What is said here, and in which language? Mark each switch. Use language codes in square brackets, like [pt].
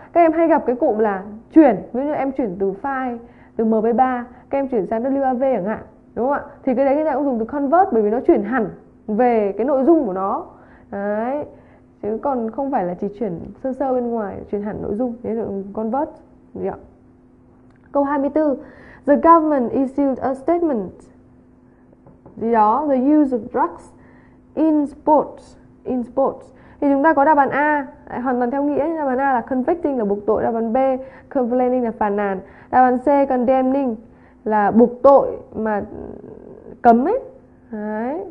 [vi] Các em hay gặp cái cụm là chuyển, ví dụ như em chuyển từ file từ MP3 các em chuyển sang WAV chẳng hạn, đúng không ạ? Thì cái đấy người ta cũng dùng từ convert bởi vì nó chuyển hẳn về cái nội dung của nó đấy, chứ còn không phải là chỉ chuyển sơ sơ bên ngoài, chuyển hẳn nội dung, thế là convert, đúng không? Câu 24. [en] The government issued a statement [vi] gì đó, [en] the use of drugs in sports. [vi] Thì chúng ta có đáp án A hoàn toàn theo nghĩa, đáp án A là convicting là buộc tội, đáp án B complaining là phàn nàn, đáp án C condemning là buộc tội mà cấm ấy. Đấy.